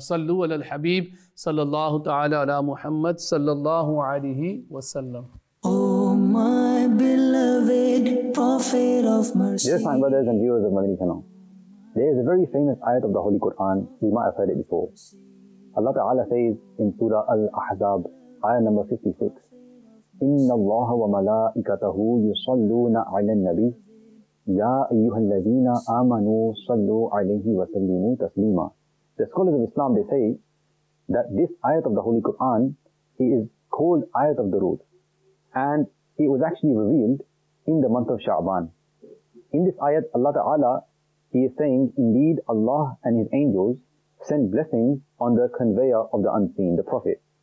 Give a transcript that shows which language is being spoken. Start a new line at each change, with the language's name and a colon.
English: Sallu ala al-habib, sallallahu ta'ala ala Muhammad, sallallahu alayhi wa sallam. My beloved Prophet of Mercy. Dear Sahih brothers and viewers of Madani Channel, there is a very famous ayat of the Holy Quran. You might have heard it before. Allah Ta'ala says in Surah Al-Ahzab, ayah number 56,
Arabic: إِنَّ اللَّهَ وَمَلَائِكَتَهُ يُصَلُّونَ عَلَى النَّبِيِّ يَا أَيُّهَا الَّذِينَ آمَنُوا صَلُّوا عَلَيْهِ وَسَلِّمُوا تَسْلِيمًا.
English: The scholars of Islam, they say that this ayat of the Holy Quran, it is called ayat of Durood. And it was actually revealed in the month of Sha'ban. In this ayat, Allah Ta'ala, he is saying, indeed Allah and his angels send blessings on the conveyor of the unseen, the Prophet.